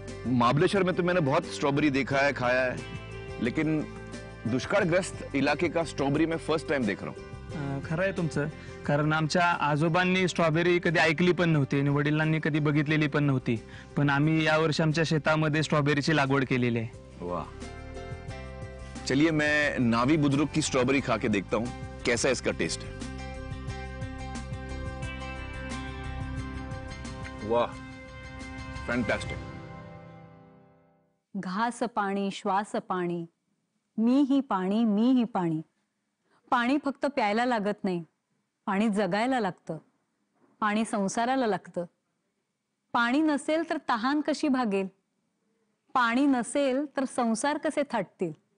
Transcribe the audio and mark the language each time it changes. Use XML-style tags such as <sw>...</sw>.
<hi>महाबलेश्वर में तो मैंने बहुत स्ट्रॉबेरी देखा है, खाया है, लेकिन दुष्काळग्रस्त इलाके का स्ट्रॉबेरी मैं फर्स्ट टाइम देख रहा हूँ.</hi> <mr>खरं आहे तुमचं, कारण आमच्या आजोबांनी स्ट्रॉबेरी कधी ऐकली पण नव्हती आणि वडिलांनी कधी बघितलेली पण नव्हती, पण आम्ही या वर्षी आमच्या शेतामध्ये स्ट्रॉबेरीची लागवड केलेली आहे.</mr> <hi>वा, चलिए मैं नावी बुद्रुक की स्ट्रॉबेरी खा के देखता हूं कैसा इसका टेस्ट है. वाह, फैंटास्टिक.</hi> <mr>घास पाणी, श्वास पाणी, मी ही पाणी, मी ही पाणी. पाणी फक्त प्यायला लागत नाही, पाणी जगायला लागतं, पाणी संसाराला लागतं. पाणी नसेल तर तहान कशी भागेल? पाणी नसेल तर संसार कसे थाटतील?</mr>